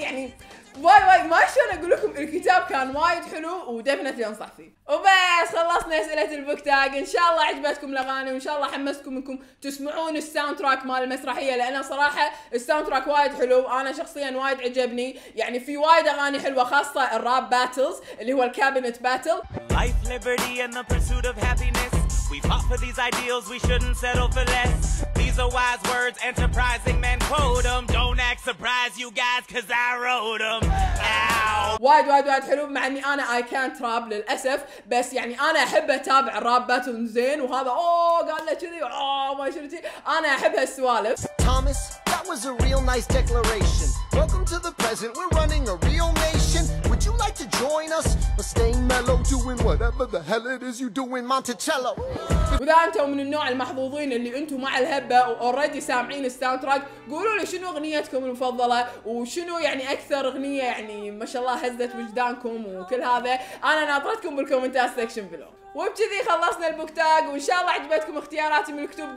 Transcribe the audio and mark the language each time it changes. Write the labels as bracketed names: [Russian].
[Arabic] يعني واي واي ما شلون اقول لكم، الكتاب كان وايد حلو ودفنتلي انصح فيه. وبس خلصنا اسئله البوك تاج، ان شاء الله عجبتكم الاغاني وان شاء الله حمستكم انكم تسمعون الساوند تراك مال المسرحيه، لان صراحه الساوند تراك وايد حلو وانا شخصيا وايد عجبني. يعني في وايد اغاني حلوه خاصه الراب باتلز اللي هو الكابينت باتل. [English] Life, liberty, and the pursuit of happiness. We fought for these ideals, we shouldn't settle for less. These are wise words, enterprising men quote them. Don't act surprised, you guys, cause I wrote them. Ow. [Arabic] وايد وايد وايد حلو، مع اني انا [English] I can't rap [Arabic] للأسف، بس يعني انا احب اتابع الراب باتل زين. وهذا قال له كذي ما شفتي، انا احب هالسوالف. [English] Thomas, that was a real nice declaration. Welcome to the present, we're running a real nation. Would you like to join us? Or staying mellow, doing whatever the hell it is you do in Monticello. [Arabic] وإذا أنتم من النوع المحظوظين اللي أنتم مع الهبة وأوريدي سامعين الساوند تراك، قولوا لي شنو أغنيتكم المفضلة وشنو يعني أكثر أغنية يعني ما شاء الله هزت وجدانكم وكل هذا. أنا ناطرتكم بالكومنتات سكشن بلو. وبكذي خلصنا البوك تاج، وإن شاء الله عجبتكم اختياراتي من الكتب.